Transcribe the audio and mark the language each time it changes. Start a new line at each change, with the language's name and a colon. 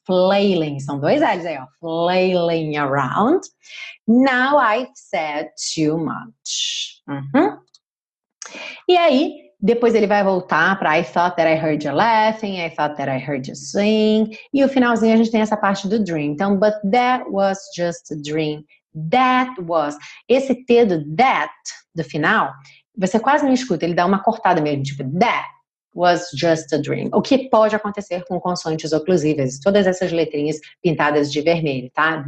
Portuguese: Flailing, são dois L's aí, ó.
English: Flailing around. Now I've said too much.
Portuguese: E aí, depois ele vai voltar para
English: I thought that I heard you laughing, I thought that I heard you sing.
Portuguese: E o finalzinho a gente tem essa parte do dream.
English: Então, but that was just a dream. That was.
Portuguese: Esse T do that, do final, você quase não escuta. Ele dá uma cortada mesmo, tipo,
English: that was just a dream.
Portuguese: O que pode acontecer com consoantes oclusivas? Todas essas letrinhas pintadas de vermelho, tá?